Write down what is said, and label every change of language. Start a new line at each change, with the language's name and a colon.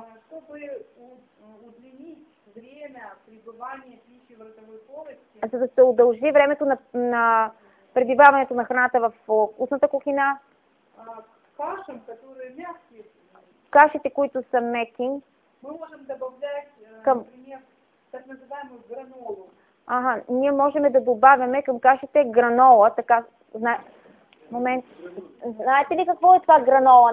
Russian: Чтобы удлинить время пребывания пищи в ротовой полости.
Bulgarian: За да се удължи времето на пребиваването на храната в устната кухина.
Russian: Кашам, которые мягкие.
Bulgarian: Кашите, които са меки.
Russian: Мы можем добавлять, например, так называемую гранолу.
Bulgarian: Ага, ние можем да добавяме към кашите гранола, така, момент. Знаете ли какво е това гранола?